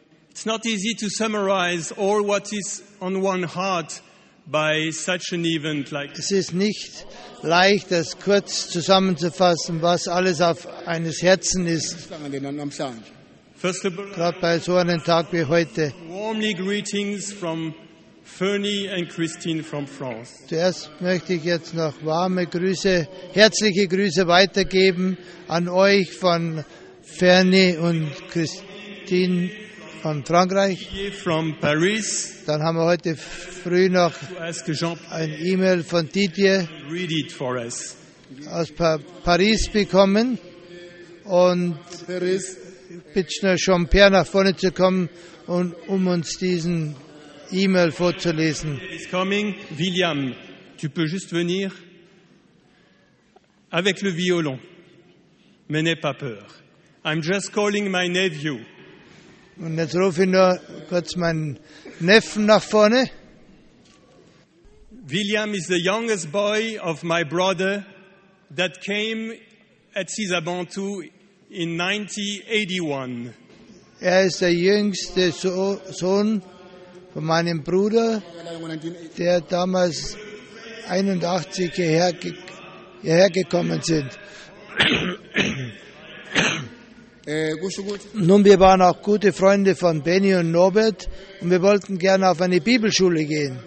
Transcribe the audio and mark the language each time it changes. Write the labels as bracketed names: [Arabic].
[English] It's not easy to summarize all what is on one heart by such an event like. [German] Es ist nicht leicht, das kurz zusammenzufassen, was alles auf eines Herzen ist. [English] First of all, [German] gerade bei so einem Tag wie heute. [English] Warmly greetings from Fernie and Christine from France. [German] Zuerst möchte ich jetzt noch warme Grüße, herzliche Grüße weitergeben an euch von Fernie und Christine von Frankreich. [English] From Paris. [German] Dann haben wir heute früh noch ein E-Mail von Didier [English] read it for us. [German] Aus Paris bekommen. Und Paris. Bitte schon Jean-Pierre nach vorne zu kommen und um uns diesen E-Mail vorzulesen. [English] It's coming. [French] William, tu peux juste venir avec le violon. Mais n'aie pas peur. [English] I'm just calling my nephew. [German] Und jetzt rufe ich nur kurz meinen Neffen nach vorne. [English] William is the youngest boy of my brother that came at Sisabantu in 1981. [German] Er ist der jüngste Sohn von meinem Bruder, der damals 81 hierher gekommen sind. Nun, wir waren auch gute Freunde von Benny und Norbert und wir wollten gerne auf eine Bibelschule gehen.